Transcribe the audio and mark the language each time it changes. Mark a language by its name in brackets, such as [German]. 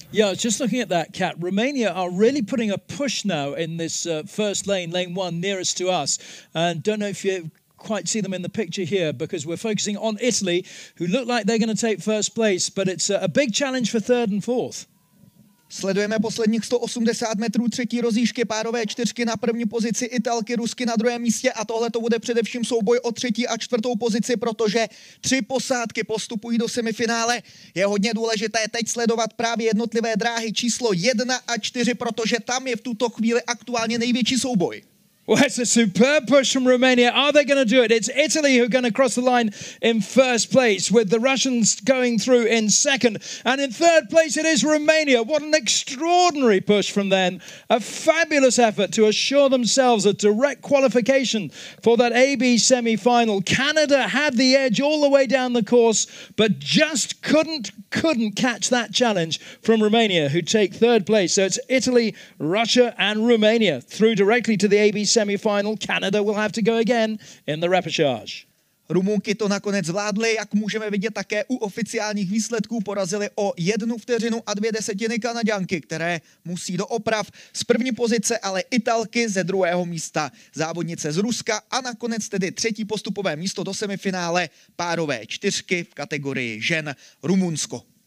[English] Yeah, just looking at that, Kat, Romania are really putting a push now in this first lane, lane one, nearest to us. And don't know if you quite see them in the picture here, because we're focusing on Italy, who look like they're going to take first place, but it's a big challenge for third and fourth. [Czech] Sledujeme posledních 180 metrů třetí rozjížky párové čtyřky na první pozici Italky, Rusky na druhém místě, a tohle to bude především souboj o třetí a čtvrtou pozici, protože tři posádky postupují do semifinále. Je hodně důležité teď sledovat právě jednotlivé dráhy číslo 1 a 4, protože tam je v tuto chvíli aktuálně největší souboj. [English] Well, it's a superb push from Romania. Are they going to do it? It's Italy who are going to cross the line in first place, with the Russians going through in second. And in third place, it is Romania. What an extraordinary push from them. A fabulous effort to assure themselves a direct qualification for that AB semi-final. Canada had the edge all the way down the course, but just couldn't catch that challenge from Romania, who take third place. So it's Italy, Russia, and Romania through directly to the AB semi-final. Canada will have to go again in the repechage. [Czech] Rumunky to nakonec zvládly, jak můžeme vidět také u oficiálních výsledků, porazili o 1:02 Kanaďanky, které musí do oprav. Z první pozice ale Italky, ze druhého místa závodnice z Ruska a nakonec tedy třetí postupové místo do semifinále párové čtyřky v kategorii žen Rumunsko.